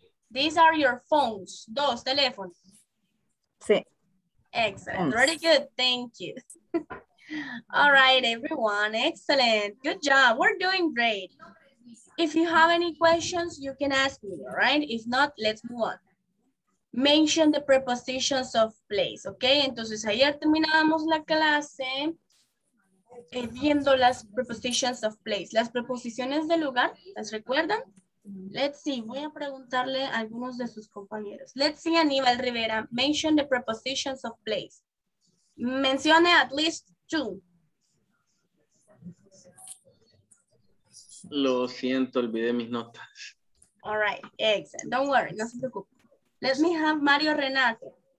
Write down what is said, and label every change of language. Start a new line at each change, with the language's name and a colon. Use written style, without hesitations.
English: These are your phones.
Spanish: Dos teléfonos. Sí.
English: Excellent, very good, thank you. All right, everyone, excellent. Good job, we're doing great. If you have any questions, you can ask me, all right? If not, let's move on. Mention the prepositions of place, okay?
Spanish: Entonces, ayer terminábamos la clase viendo las prepositions of place. Las preposiciones de lugar, ¿las recuerdan?
English: Let's see,
Spanish: voy a preguntarle a algunos de sus compañeros.
English: Let's see, Aníbal Rivera, mention the prepositions of place.
Spanish: Mencione
English: at least two.
Spanish: Lo siento, olvidé mis notas.
English: All right, excellent. Don't worry,
Spanish: no se preocupe.
English: Let me have Mario Renato.